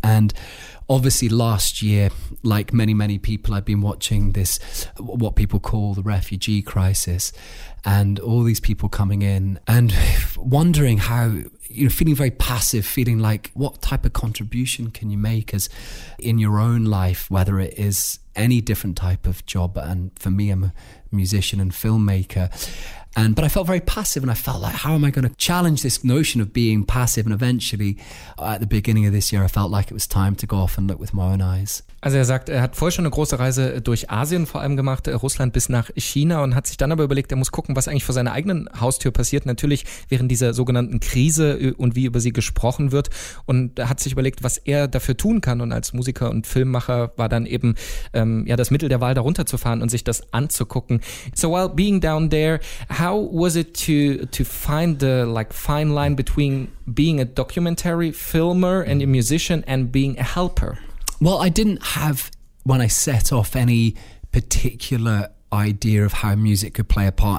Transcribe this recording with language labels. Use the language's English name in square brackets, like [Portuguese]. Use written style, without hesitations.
[English] And obviously last year, like many, many people, I've been watching this, what people call the refugee crisis, and all these people coming in and wondering how, you know, feeling very passive, feeling like what type of contribution can you make as in your own life, whether it is any different type of job. And for me, I'm a musician and filmmaker. But I felt very passive, and I felt like, how am I going to challenge this notion of being passive? And eventually, at the beginning of this year, I felt like it was time to go off and look with my own eyes. [German] Also er sagt, er hat vorher schon eine große Reise durch Asien vor allem gemacht, Russland bis nach China, und hat sich dann aber überlegt, er muss gucken, was eigentlich vor seiner eigenen Haustür passiert, natürlich während dieser sogenannten Krise und wie über sie gesprochen wird, und er hat sich überlegt, was er dafür tun kann, und als Musiker und Filmmacher war dann eben das Mittel der Wahl, da runterzufahren und sich das anzugucken. [English] So while being down there, how was it to find the like fine line between being a documentary filmer and a musician and being a helper? Well, I didn't have, when I set off, any particular idea of how music could play a part.